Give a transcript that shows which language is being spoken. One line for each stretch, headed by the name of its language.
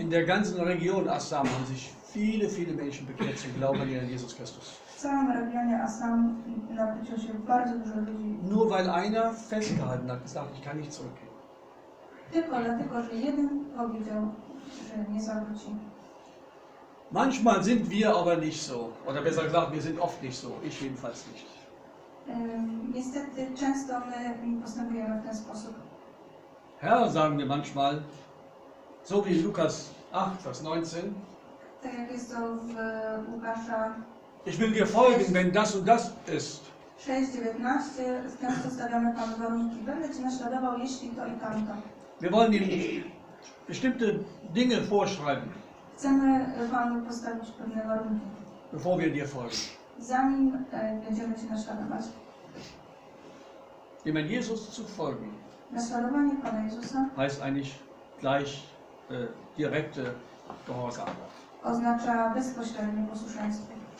German: In der ganzen Region Assam haben sich viele, viele Menschen bekehrt zum Glauben an Jesus Christus.
Polish: W całym regionie Assam nawróciło się bardzo dużo ludzi.
German: Nur weil einer festgehalten hat, gesagt, ich kann nicht zurückgehen.
Polish: Tylko dlatego, że jeden powiedział, że nie zawróci.
German: Manchmal sind wir aber nicht so, oder besser gesagt, wir sind oft nicht so, ich jedenfalls nicht.
Polish: Niestety często my postępujemy w ten sposób.
German: Herr, sagen wir manchmal, so wie Lukas 8, Vers 19,
Polish: tak jak jest to w Łukasza,
German: ich will dir folgen, wenn das und das ist.
Polish: 6,19, często stawiamy Panu warunki, będę Cię naśladował, jeśli to i tamto.
German: Wir wollen ihm bestimmte Dinge vorschreiben.
Polish: Chcemy Panu postawić pewne warunki.
German: Bevor wir dir folgen.
Polish: Zanim będziemy Cię naśladować.
German: Dem Jesus zu folgen.
Polish: Naśladowanie Pana Jezusa.
German: Heißt eigentlich gleich direkte Gehorsam.
Polish: Oznacza bezpośrednie posłuszeństwo.